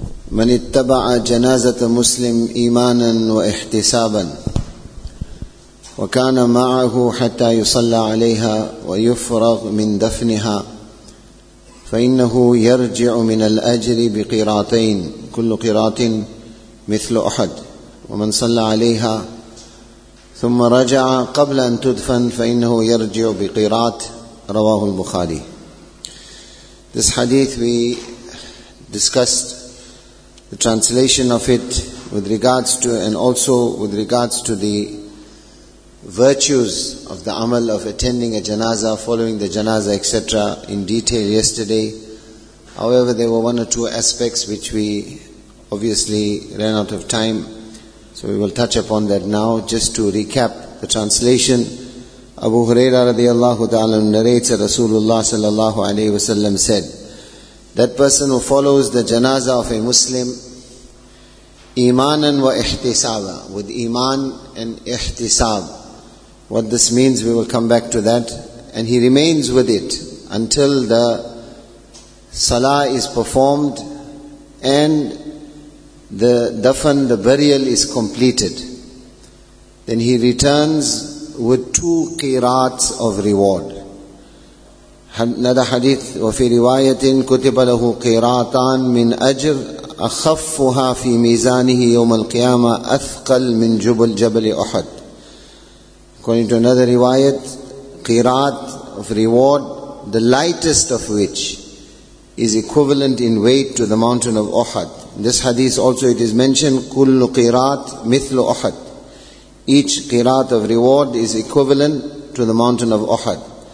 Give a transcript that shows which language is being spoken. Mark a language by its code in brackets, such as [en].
[ar] من اتبع جنازة مسلم إيمانا واحتسابا وكان معه حتى يصلى عليها ويفرغ من دفنها فإنه يرجع من الأجر بقيراطين، كل قيراط مثل أحد، ومن صلى عليها ثم رجع قبل أن تدفن فإنه يرجع بقيراط. رواه البخاري. [en] This hadith, we discussed the translation of it with regards to, and also with regards to the virtues of the amal of attending a janaza, following the janaza, etc., in detail yesterday. However, there were one or two aspects which we obviously ran out of time, so we will touch upon that now. Just to recap the translation, Abu Huraira radiallahu ta'ala narrates that Rasulullah sallallahu alayhi wa sallam said, that person who follows the janaza of a Muslim, imanan wa ihtisaba, with iman and ihtisab. What this means, we will come back to that. And he remains with it until the salah is performed and the dafan, the burial, is completed. Then he returns with two qirats of reward. Another hadith, [ar] وَفِي رِوَايَةٍ كُتِبَ لَهُ قِرَاطًا مِنْ أَجْرٍ أَخَفُّهَا فِي مِيزَانِهِ يَوْمَ الْقِيَامَةِ أَثْقَلْ مِنْ جُبُلْ جَبَلِ أُحَدٍ. [en] According to another riwayat, qirat of reward, the lightest of which is equivalent in weight to the mountain of Uhud. In this hadith also it is mentioned, [ar] كُلُّ قِرَاط مِثْلُ أُحَد. [en] Each qirat of reward is equivalent to the mountain of Uhud.